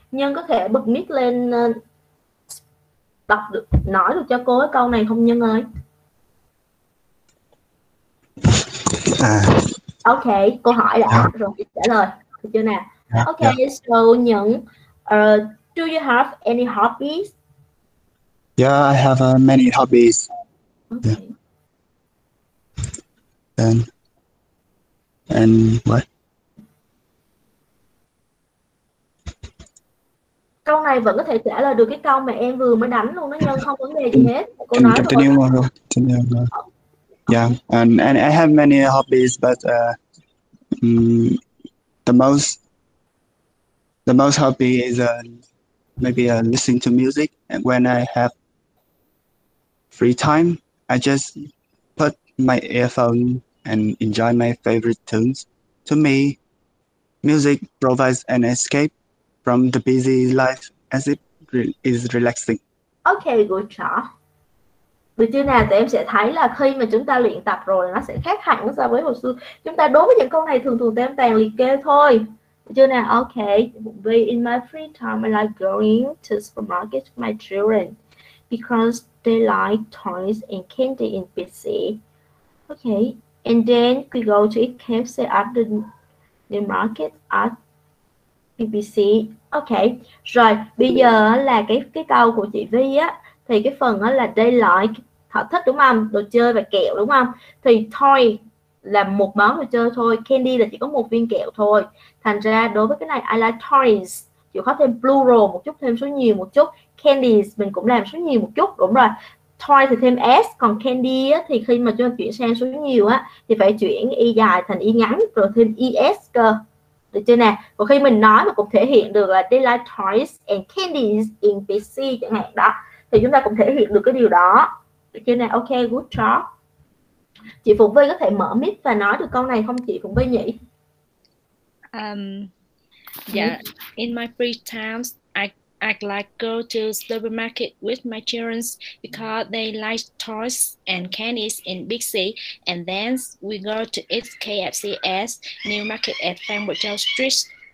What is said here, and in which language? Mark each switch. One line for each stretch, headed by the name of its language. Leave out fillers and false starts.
Vietnamese: Nhân có thể bật mic lên đọc được, nói được cho cô cái câu này không Nhân ơi? À. Ok, cô hỏi đã rồi, trả lời, được chưa nào?
English: Ok, so Nhân, do you have any hobbies? Yeah, I have many hobbies. Okay. Yeah. And what?
Vietnamese: Câu này vẫn có thể trả lời được cái câu mà em vừa mới đánh luôn đó Nhân, không vấn đề gì hết. Cô
English: can
Vietnamese: nói
English: continue rồi. More, continue more. Yeah, and I have many hobbies, but the most hobby is maybe listening to music. And when I have free time, I just put my earphone and enjoy my favorite tunes. To me, music provides an escape from the busy life, as it is relaxing. Okay, good job.
Vietnamese: Được chưa nào? Thì em sẽ thấy là khi mà chúng ta luyện tập rồi, nó sẽ khác hẳn so với hồi xưa. Chúng ta đối với những câu này thường thường tem tàng liệt kê thôi. chưa nào?
English: Okay, vì in my free time I like going to supermarket with my children because they like toys and candy in PC. Okay, and then we go to eat KFC at the market at BBC.
Vietnamese: Okay, rồi bây giờ là cái câu của chị Vy á, thì cái phần đó là they like, họ thích đúng không, đồ chơi và kẹo đúng không, thì toy là một món đồ chơi thôi, candy là chỉ có một viên kẹo thôi, thành ra đối với cái này I like toys, chịu khó thêm plural một chút, thêm số nhiều một chút, candies mình cũng làm số nhiều một chút, đúng rồi, toy thì thêm s, còn candy á, thì khi mà chúng ta chuyển sang số nhiều á thì phải chuyển y dài thành y ngắn rồi thêm es cơ, được chưa nè, và khi mình nói mà cũng thể hiện được là
English: they like toys and candies in PC
Vietnamese: chẳng hạn đó, thì chúng ta cũng thể hiện được cái điều đó, được chưa nè.
English: Ok, good job.
Vietnamese: Chị Phụng Vy có thể mở mic và nói được câu này không chị Phụng Vy nhỉ?
English: Yeah, in my free time I like go to supermarket with my children because they like toys and candies in Big C, and then we go to eat KFC at New Market at Phan Bộ Châu Street.